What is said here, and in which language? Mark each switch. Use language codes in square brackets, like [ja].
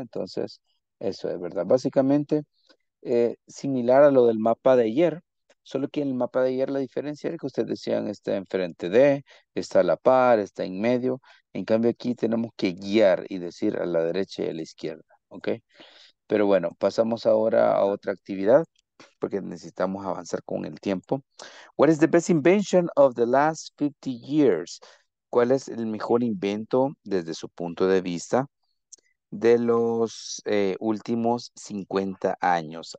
[es] Entonces eso es verdad. Básicamente, similar a lo del mapa de ayer, solo que en el mapa de ayer la diferencia era que ustedes decían está enfrente de, está a la par, está en medio. En cambio aquí tenemos que guiar y decir a la derecha y a la izquierda, ¿ok? Pero bueno, pasamos ahora a otra actividad porque necesitamos avanzar con el tiempo. [en] What is the best invention of the last 50 years? [es] ¿Cuál es el mejor invento desde su punto de vista de los últimos 50 años?